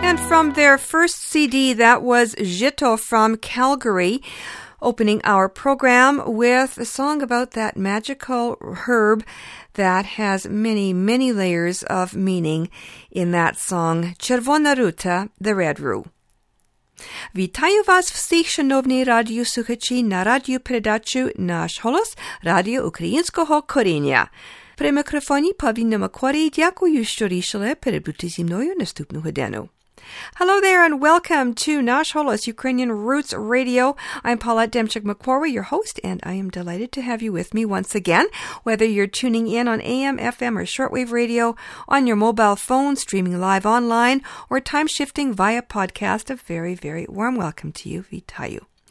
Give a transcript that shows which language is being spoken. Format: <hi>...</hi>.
<en>That was Jito from Calgary, opening our program with a song about that magical herb that has many, many layers of meaning in that song, Червона Рута, the Red Rue.</en> <uk>Вітаю вас всіх, шановні радіослухачі, на радіопередачу «Наш голос» Радіо Українського коріння. При мікрофоні Павіна Макварі, дякую, що рішили перебути зі мною наступну годину.</uk> <en>Hello there and welcome to Nash Holos Ukrainian Roots Radio. I'm Paulette Demchuk-McQuarrie, your host, and I am delighted to have you with me once again. Whether you're tuning in on AM, FM, or shortwave radio, on your mobile phone, streaming live online, or time-shifting via podcast, a very, very warm welcome to you, Vitayu.</en>